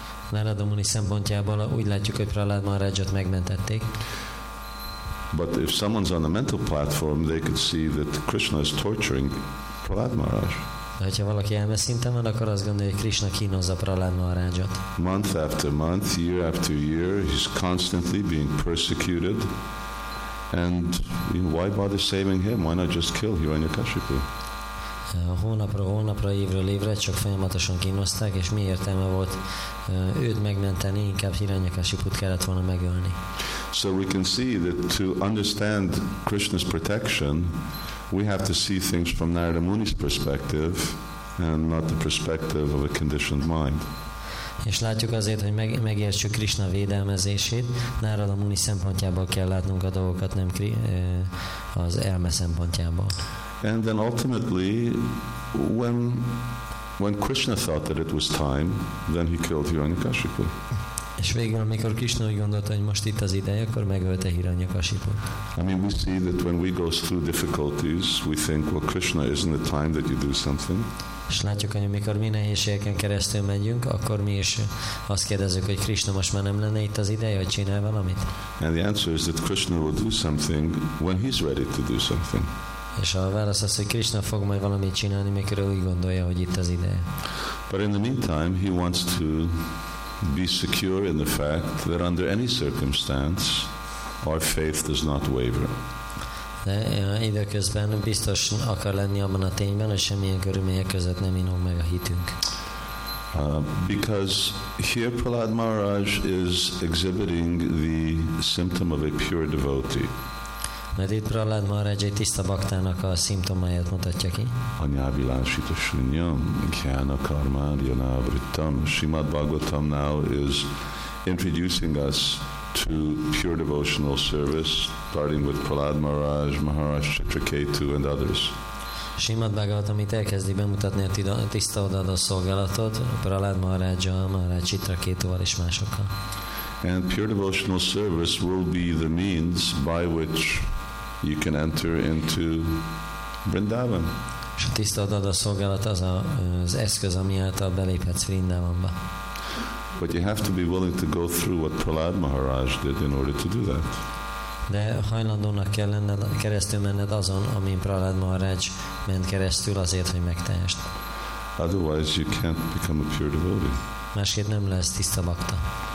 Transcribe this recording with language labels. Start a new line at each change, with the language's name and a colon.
Hungarian: Narada Muni szempontjából úgy látjuk, hogy Prahlad Maharajot megmentették.
English: But if someone's on a mental platform, they could see that Krishna is torturing Prahlad Maharaj.
Hungarian: De hogyha valaki elmeszinten van, akkor azt gondolja, hogy Krishna kínozza Prahlad Maharajot.
English: Month after month, year after year, he's constantly being persecuted. And you know, why bother saving him? Why not just kill Hiranyakasipu?
Hungarian: Hónapra, évről évre csak folyamatosan kínozták, és mi értelme volt őt megmenteni, inkább Hiranyakasiput kellett volna megölni.
English: So we can see that to understand Krishna's protection, we have to see things from Narada Muni's perspective and not the perspective of a conditioned mind.
Hungarian: És látjuk azért, hogy megértsük Krishna védelmezését, Narada Muni szempontjából kell látnunk a dolgokat, nem az elme szempontjából.
English: And then ultimately, when When Krishna thought that it was time, then he killed Hiranyakashipu.
Hungarian: És végül, amikor Krishna úgy gondolta, hogy most itt az ideje, akkor megölte Hiranyakasiput.
English: I mean, we see that when we go through difficulties, we think, well, Krishna, isn't it time that you do something?
Hungarian: És látjuk, hogy amikor mi nehézségeken keresztül megyünk, akkor mi is azt kérdezzük, hogy Krishna most már nem lenne itt az ideje, hogy csinál valamit?
English: And the answer is that Krishna will do something when he's ready to do something.
Hungarian: És a válasz az, hogy Krishna fog majd valamit csinálni, mikor ő úgy gondolja, hogy itt az ideje.
English: But in the meantime, he wants to be secure in the fact that under any circumstance our faith does not waver.
Hungarian: De időközben biztos akar lenni abban a tényben, hogy semmilyen körülmények között nem inog meg a hitünk.
English: Because here Prahlad Maharaj is exhibiting the symptom of a pure devotee.
Hungarian: Mert itt Prahlad Maharaj egy tiszta baktának a szimptomáját mutatja ki.
Sanskrit: Anyávilásita sunyam, kyána karmár, janávrittam.
English: Srimad Bhagavatam now is introducing us to pure devotional service, starting with Prahlad Maharaj, Maharaj Chitraketu and others.
Hungarian: Srimad Bhagavatam itt elkezdi bemutatni a tiszta odaadó szolgálatot Prahlad Maharajjal, Maharaj Chitraketuval és másokkal.
English: And pure devotional service will be the means by which you can enter into Vrindavan.
Hungarian: És a tiszta odaadó szolgálat az az eszköz, ami által beléphetsz Vrindavanba.
English: But you have to be willing to go through what Prahlad Maharaj did in order to do that.
Hungarian: De hajlandónak kell lenned, keresztül menned azon, amin Prahlad Maharaj ment keresztül azért, hogy megtehest.
English: Otherwise you can't become a pure devotee.
Hungarian: Másképp nem lesz tiszta bakta.